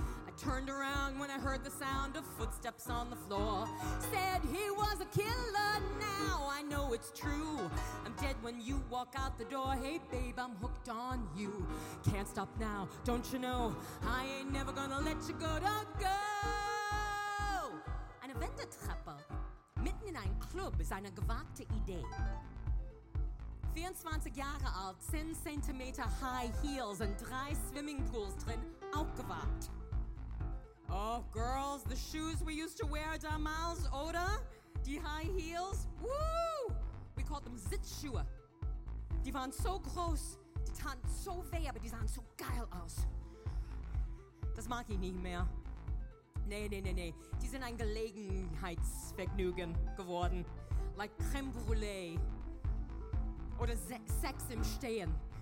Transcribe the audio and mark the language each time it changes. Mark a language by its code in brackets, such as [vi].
[en] I turned around when I heard the sound of footsteps on the floor. Said he was a killer, now I know it's true. I'm dead when you walk out the door. Hey babe, I'm hooked on you. Can't stop now, don't you know, I ain't never gonna let you go. Don't go. [de] Eine Wendeltreppe mitten in einem Club ist eine gewagte Idee. 24 Jahre alt, 10 cm high heels und 3 Swimmingpools drin, aufgewacht. [en] Oh, girls, the shoes we used to wear [de] damals, oder? [en] Die high heels, woo! We called them Sitzschuhe. [de] Die waren so groß, die taten so weh, aber die sahen so geil aus. Das mag ich nicht mehr. Nee. Die sind ein Gelegenheitsvergnügen geworden. [en] Like Crème Brûlée. [de] Oder Sex im Stehen.